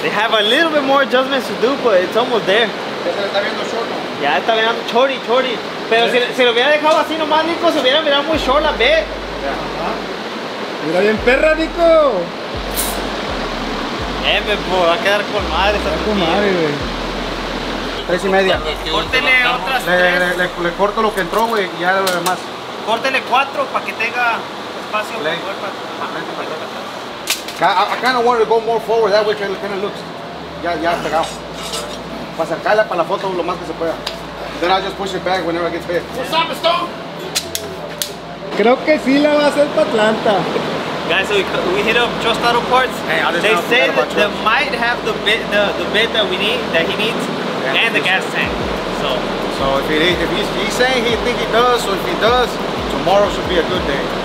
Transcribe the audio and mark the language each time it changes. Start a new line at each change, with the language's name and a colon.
English: They have a little bit more adjustments to do, but it's almost there.
Spanish: Ya está viendo short, ¿no? Ya está viendo chori. Pero si lo hubiera dejado así nomás, Nico, se hubiera mirado muy short la B. Mira bien perra, Nico. Po, va a quedar con madre. Está con madre, güey. Tres y media. Córtele otras tres. Le corto lo que entró, güey, y ya lo demás. Córtele cuatro para que tenga espacio para poder pasar.
English: I kind of want to go more forward, that way it kind of looks.
Spanish: Ya pegado. Para acercarla para la foto lo más que se pueda.
English: Then I'll just push it back whenever I get fit. What's up, Stone?
Spanish: Creo que sí la va a hacer para Atlanta.
English: Guys, so we hit up Trust Auto Parts. They say that they might have the bit that we need, that he needs, yeah, and the gas tank. So if he's saying he think he does, so if he does, tomorrow should be a good day.